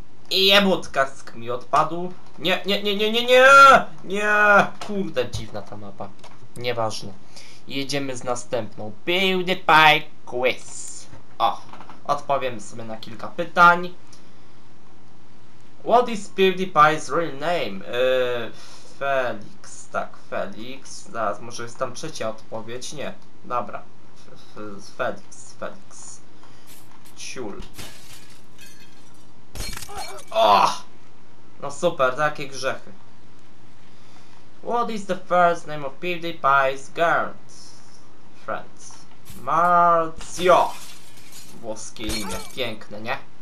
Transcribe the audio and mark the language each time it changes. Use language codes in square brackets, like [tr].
[pl] I jebut, kask mi odpadł. Nie, nie, nie, nie, nie, nie! Nie! Kurde, dziwna ta mapa. Nieważne. Jedziemy z następną. PewDiePie Quiz. O, odpowiem sobie na kilka pytań. [en] What is PewDiePie's real name? [pl] Felix, tak, Felix. Zaraz, może jest tam trzecia odpowiedź? Nie, dobra. Felix, Felix. Ciul. Oh! No super, takie grzechy. [en] What is the first name of PewDiePie's girlfriend? [pl] Marzio. Włoskie imię, piękne, nie?